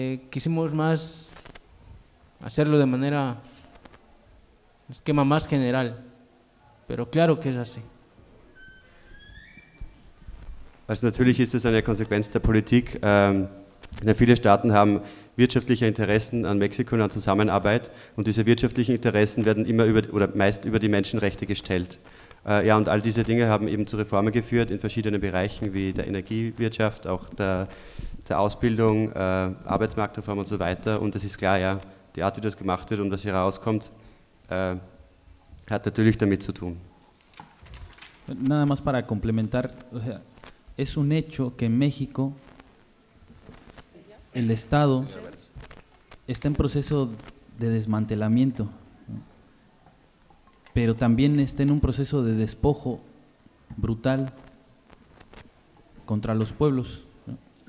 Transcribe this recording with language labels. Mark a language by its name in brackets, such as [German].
[Spanish] Quisimos más hacerlo de manera, esquema más general, pero claro que es así. [German] Also natürlich ist es eine Konsequenz der Politik. Viele Staaten haben wirtschaftliche Interessen an Mexiko und an Zusammenarbeit, und diese wirtschaftlichen Interessen werden immer über, oder meist über die Menschenrechte gestellt. Ja, und all diese Dinge haben eben zu Reformen geführt in verschiedenen Bereichen wie der Energiewirtschaft, auch der Ausbildung, Arbeitsmarktreform und so weiter. Und es ist klar, ja, die Art, wie das gemacht wird und was hier rauskommt, hat natürlich damit zu tun. [Spanish] Nada más para complementar, o sea, es un hecho que en México el Estado está en proceso de desmantelamiento, ¿no? Pero también está en un proceso de despojo brutal contra los pueblos, ¿no?